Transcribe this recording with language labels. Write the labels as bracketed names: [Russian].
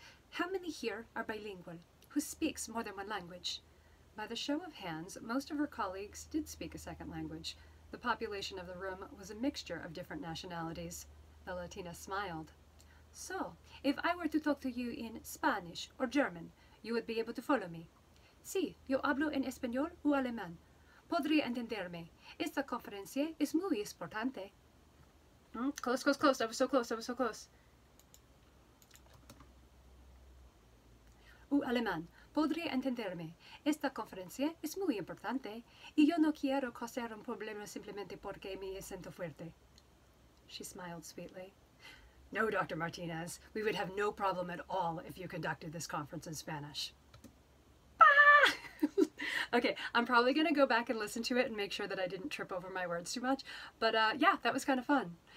[English] How many here are bilingual, who speaks more than one language? By the show of hands, most of her colleagues did speak a second language. The population of the room was a mixture of different nationalities. The Latina smiled. So, if I were to talk to you in Spanish or German, you would be able to follow me. [Spanish] Sí, yo hablo en español o alemán. Podría entenderme. Esta conferencia es muy importante. [English] Close, close, close. I was so close. I was so close. [Spanish] U alemán. Podría entenderme. Esta conferencia es muy importante. Y yo no quiero causar un problema simplemente porque mi acento fuerte. [English] She smiled sweetly. No, Dr. Martinez. We would have no problem at all if you conducted this conference in Spanish. Okay, I'm probably going to go back and listen to it and make sure that I didn't trip over my words too much. But yeah, that was kind of fun.